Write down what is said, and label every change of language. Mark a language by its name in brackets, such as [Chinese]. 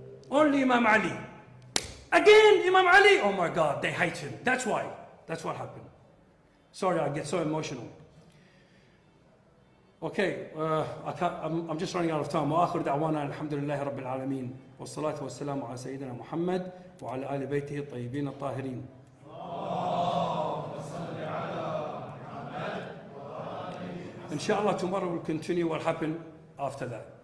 [English] Only Imam Ali. Again, Imam Ali. Oh my God, they hate him. That's why. That's what happened. Sorry, I get so emotional. Okay, I'm just running out of time. [Arabic] وآخر دعوانا الحمد لله رب العالمين والصلاة والسلام على سيدنا محمد وعلى آل بيته الطيبين الطاهرين. إن شاء الله [English] tomorrow will continue what happened after that.